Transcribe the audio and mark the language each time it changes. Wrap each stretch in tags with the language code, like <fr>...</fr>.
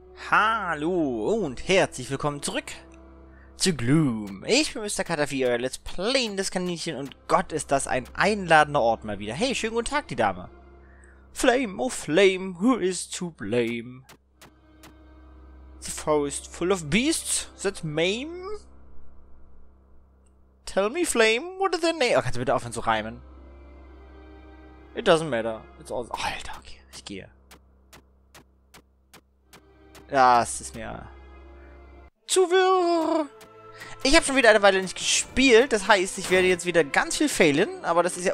<de>Hallo und herzlich willkommen zurück zu Gloom. Ich bin Mr. Cutter 4,</de> <en>let's play</en> <de>in das Kaninchen und Gott ist das ein einladender Ort mal wieder. Hey, schönen guten Tag, die Dame.</de> <en>Flame, oh Flame, who is to blame? The forest full of beasts that maim? Tell me, Flame, what is their name?</en> <de>Oh, kannst du bitte aufhören zu reimen?</de> <en>It doesn't matter. It's all...</en> <de>Alter, okay, ich gehe. Ja, es ist mir zu wirr. Ich habe schon wieder eine Weile nicht gespielt. Das heißt, ich werde jetzt wieder ganz viel failen. Aber das ist ja...</de>